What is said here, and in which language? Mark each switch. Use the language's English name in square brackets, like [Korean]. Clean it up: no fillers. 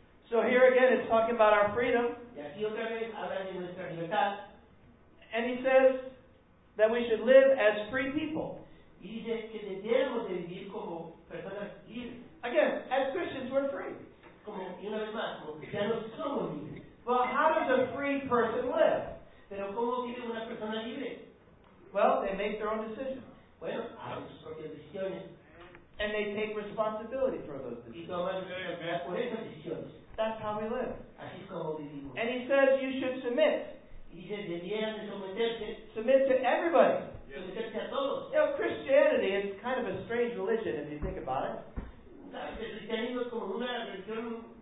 [English] So here again it's talking about our freedom. [Spanish] Y aquí otra vez habla de nuestra libertad. [English] And he says that we should live as free people. [Spanish] Y dice que debemos de vivir como personas libres. [English] Again, as Christians, we're free. [Spanish] Como, y una vez más, como cristianos somos libres. [English] Well, how does a free person live? [Spanish] Pero ¿cómo vive una persona libre? [English] Well, they make their own decisions. [Spanish] Bueno, hacen sus propias decisiones. [English] And they take responsibility for those decisions. [Spanish] Y toman responsabilidad por esas decisiones. [English] That's how we live. [Spanish] Así es como vivimos. [English] And he says you should submit. [Spanish] Y dice, debieran de someterse. [English] Submit to everybody. Yes. You know, Christianity is kind of a strange religion if you think about it. [Spanish] El cristianismo es como una religión